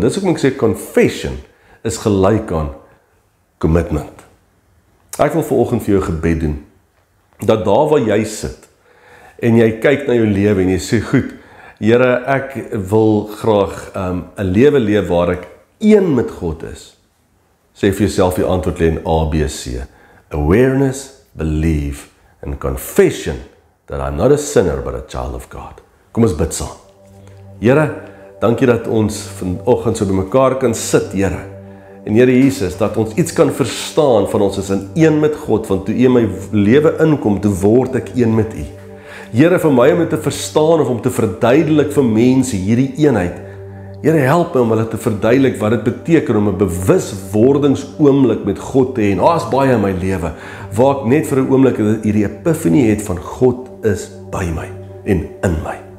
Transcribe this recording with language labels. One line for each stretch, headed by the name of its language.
Afrikaans: Dis hoekom ek sê confession is gelyk aan commitment. Ek wil vanoggend vir jou gebed doen, dat daar waar jy sit, en jy kyk na jou lewe, en jy sê, goed, Here, ek wil graag 'n lewe leef waar ek een met God is. Sê vir jouself die antwoord lê in A, B, C.
English: Awareness, belief, and confession, that I'm not a sinner, but a child of God.
Afrikaans: Kom ons bid saam. Here, dankie dat ons vanoggend so by mekaar kan sit, Here. En Here Jesus, dat ons iets kan verstaan van ons is in een met God, want toe U in my lewe inkom, toe word ek een met U. Here, vir my om dit te verstaan of om te verduidelik vir mense hierdie eenheid. Here, help my om hulle te verduidelik wat dit beteken om 'n bewuswordingsoomblik met God te hê. Daar's baie in my lewe waar ek net vir 'n oomblik hierdie epifanie het van God is by my en in my.